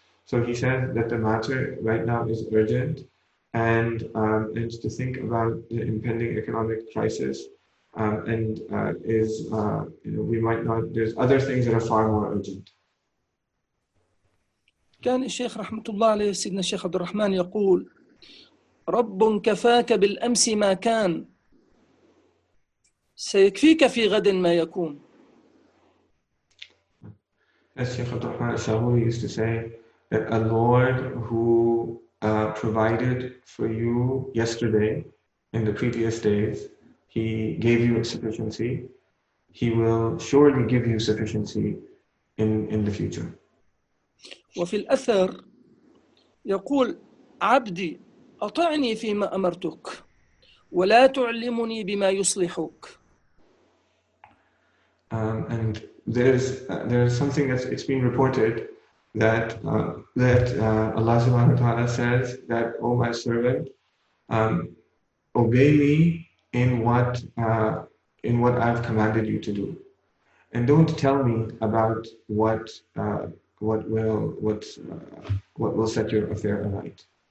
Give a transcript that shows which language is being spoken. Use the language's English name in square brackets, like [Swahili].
[English] So he said that the matter right now is urgent, and to think about the impending economic crisis there's other things that are far more urgent. [Arabic] كان الشيخ رحمة الله عليه سيدنا الشيخ عبد الرحمن يقول رب كفاك بالأمس ما كان سيكفيك في غد ما يكون. [English] As Sheikh Abdul Rahman al-Shawri used to say, that a Lord who provided for you yesterday, in the previous days, he gave you sufficiency, he will surely give you sufficiency in the future. [Arabic] وفي الأثر يقول عبدي أطعني فيما أمرتك ولا تعلمني بما يصلحك. [English] And there's something that's it's been reported that that Allah subhanahu wa ta'ala says that, oh my servant, obey me in what I've commanded you to do, and don't tell me about what will set your affair aright.